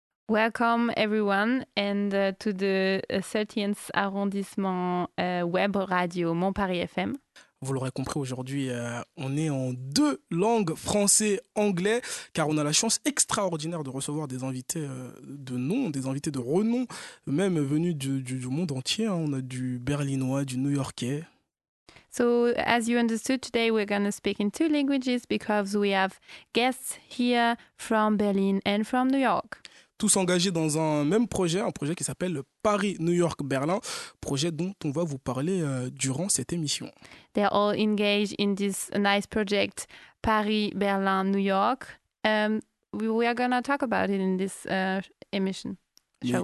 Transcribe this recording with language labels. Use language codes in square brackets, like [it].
[en] Welcome everyone and to the 13th arrondissement web radio Mon Paris FM. [fr] Vous l'aurez compris, aujourd'hui, on est en deux langues, français, anglais, car on a la chance extraordinaire de recevoir des invités de nom, des invités de renom, même venus du monde entier. Hein. On a du berlinois, du new-yorkais. [en] So, as you understood, today we're going to speak in two languages because we have guests here from Berlin and from New York. [fr] Tous engagés dans un même projet, un projet qui s'appelle Paris-New York-Berlin, projet dont on va vous parler durant cette émission. [en] They're all engaged in this nice project, Paris-Berlin-New York. We are going to talk about it in this emission show.